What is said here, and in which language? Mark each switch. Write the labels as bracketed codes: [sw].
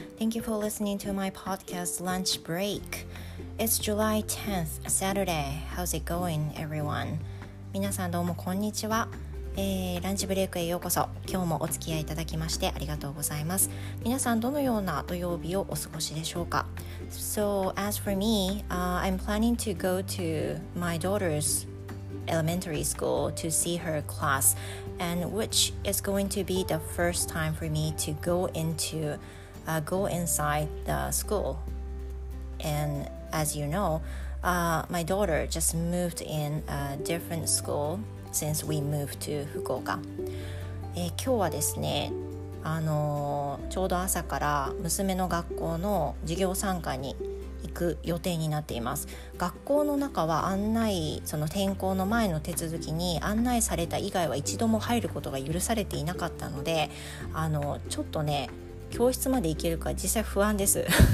[en] Thank you for listening to my podcast, Lunch Break. It's July 10th, Saturday. How's it going, everyone? [ja] 皆さんどうもこんにちは。ランチブレイクへようこそ。今日もお付き合いいただきましてありがとうございます。皆さんどのような土曜日をお過ごしでしょうか? [en] So as for me, I'm planning to go to my daughter's elementary school to see her class, and which is going to be the first time for me to go inside the school. And as you know, my daughter just moved in a different school. Since we moved to Fukuoka. [ja] 今日はですね、ちょうど朝から娘の学校の授業参観に行く予定になっています。学校の中は案内、その転校の前の手続きに案内された以外は一度も入ることが許されていなかったので、ちょっとね、教室まで行けるか実際不安です。